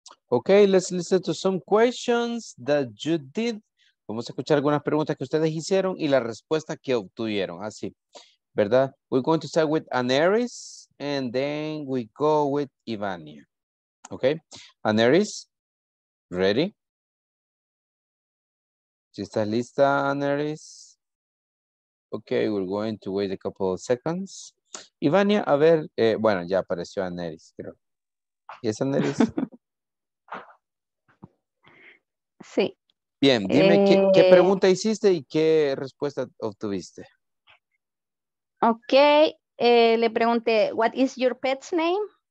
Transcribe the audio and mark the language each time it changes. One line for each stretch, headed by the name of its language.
English: Okay, let's listen to some questions that you did.
Spanish: Vamos a escuchar algunas preguntas que ustedes hicieron y la respuesta que obtuvieron, así, ¿verdad?
English: We're going to start with Aneris, and then we go with Ivania. Okay, Aneris, ready?
Spanish: ¿Estás lista, Aneris?
English: Okay, we're going to wait a couple of seconds.
Spanish: Ivania, a ver, bueno, ya apareció Aneris, creo. ¿Es Aneris? Sí. Bien, dime qué pregunta hiciste y qué respuesta obtuviste.
English: Ok,
Spanish: le pregunté,
English: what is your pet's name?